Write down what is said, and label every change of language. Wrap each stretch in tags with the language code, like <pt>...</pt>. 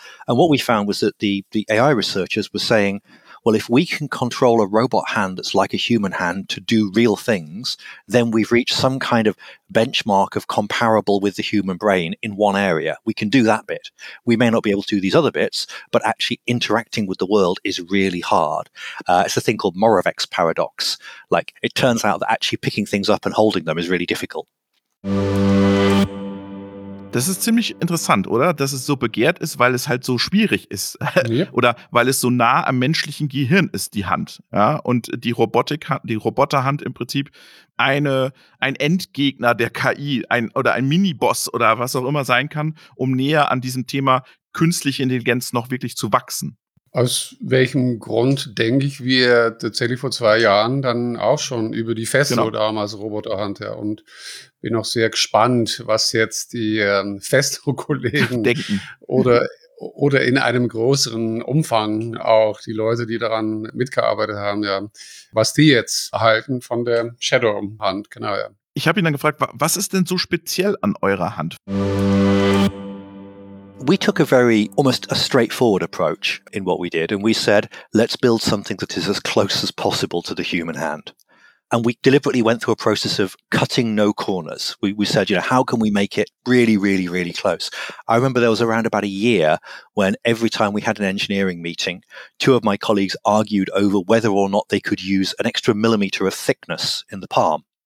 <en>And what we found was that the AI researchers were saying, well, if we can control a robot hand that's like a human hand to do real things, then we've reached some kind of benchmark of comparable with the human brain in one area. We can do that bit. We may not be able to do these other bits, but actually interacting with the world is really hard. It's a thing called Moravec's paradox. Like, it turns out that actually picking things up and holding them is really difficult.</en> <de>Das ist ziemlich interessant, oder? Dass es so begehrt ist, weil es halt so schwierig ist. Ja. Oder weil es so nah am menschlichen Gehirn ist, die Hand. Ja? Und die Robotik, die Roboterhand im Prinzip ein Endgegner der KI, oder ein Miniboss oder was auch immer sein kann, um näher an diesem Thema künstliche Intelligenz noch wirklich zu wachsen. Aus welchem Grund, denke ich, wir tatsächlich vor 2 Jahren dann auch schon über die Fesso damals Roboter Hunter, und bin auch sehr gespannt, was jetzt die Fesso-Kollegen denken oder in einem größeren Umfang auch die Leute, die daran mitgearbeitet haben, ja, was die jetzt halten von der Shadow Hand. Genau, ja. Ich habe ihn dann gefragt, was ist denn so speziell an eurer Hand?</de> <en>We took a very, almost a straightforward approach in what we did. And we said, let's build something that is as close as possible to the human hand. And we deliberately went through a process of cutting no corners. We said, you know, how can we make it really, really, really close? I remember there was around about a year when every time we had an engineering meeting, two of my colleagues argued over whether or not they could use an extra millimeter of thickness in the palm.</en>